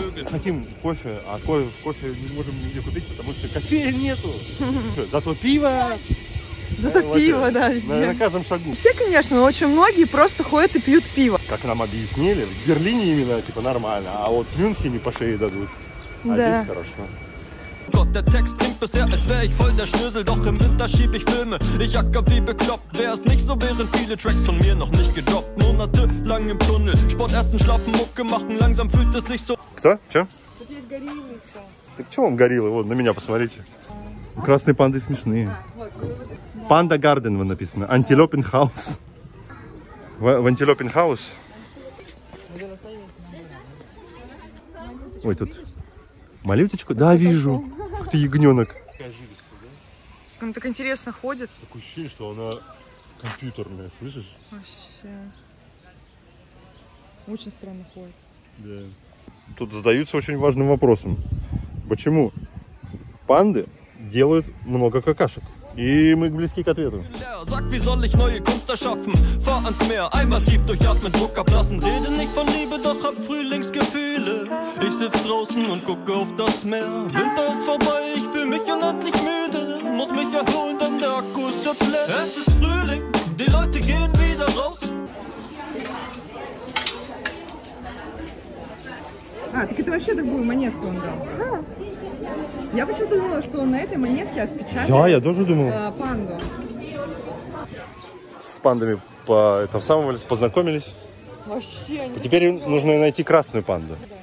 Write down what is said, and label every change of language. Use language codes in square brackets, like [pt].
[ru] Хотим кофе, а кофе не можем нигде купить, потому что кофея нету. Зато пиво. Зато пиво, да, везде. На каждом шагу. Все, конечно, но очень многие просто ходят и пьют пиво. Как нам объяснили, в Берлине именно типа нормально, а вот в Мюнхене по шее дадут. Да. А здесь хорошо. [de] Gott, der Text klingt bisher, als wäre ich voll der Schnösel, doch im Winter schieb ich Filme. Ich jacke wie bekloppt, wäre es nicht so, wären viele Tracks von mir noch nicht gedroppt. Monate lang im Tunnel, Sport essen, schlafen, Mucke machen, langsam fühlt es sich so. [ru] Кто? Чё? Тут есть гориллы ещё. Так чё вам гориллы? Вот, на меня посмотрите. Красные панды смешные. Панда Гарден вы написано. Антилопин Хаус. В Антилопин Хаус? Ой, тут... Малюточку? Да, вижу. Как ты ягненок. Он так интересно ходит. Такое ощущение, что она компьютерная, слышишь? Вообще. Очень странно ходит. Да. Тут задаются очень важным вопросом. Почему панды делают много какашек? И мы близки к ответу. [de] Sag, wie soll ich neue Kunst erschaffen? Fahr ans Meer, einmal tief durchatmen, Druck ablassen. Rede nicht von Liebe, doch hab Frühlingsgefühle. Ich sitz draußen und gucke auf das Meer. Winter ist vorbei, ich fühl mich unendlich müde. Muss mich erholen, denn der Akku ist jetzt leer. Es ist Frühling, die Leute gehen wieder raus. [ru] А, так это вообще другую монетку он дал. Да. Я почему-то думала, что он на этой монетке отпечатал. Да, я тоже думал. Панду. С пандами по этому самому познакомились. Вообще. А теперь нужно найти красную панду.